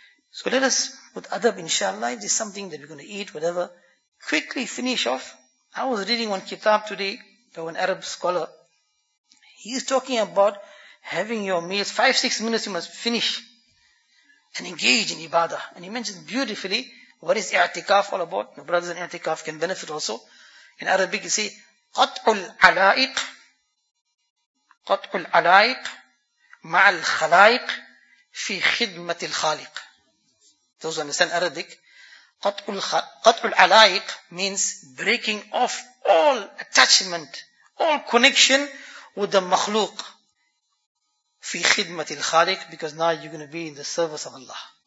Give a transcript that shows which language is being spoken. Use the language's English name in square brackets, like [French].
[English] So let us, with adab inshallah, if there's something that we're going to eat, whatever, quickly finish off. I was reading one kitab today by an Arab scholar. He's talking about having your meals, 5-6 minutes you must finish and engage in ibadah. And he mentions beautifully, what is i'tikaf all about? The brothers in i'tikaf can benefit also. In Arabic you say, [Arabic] قَطْعُ الْعَلَائِقِ مَعَ الْخَلَائِقِ فِي خِدْمَةِ الْخَالِقِ. [English] Those who understand Arabic, [Arabic] قَطْعُ الْعَلَائِقِ [English] means breaking off all attachment, all connection with the makhluq. [Arabic] فِي خِدْمَةِ الْخَالِقِ, [English] because now you're going to be in the service of Allah.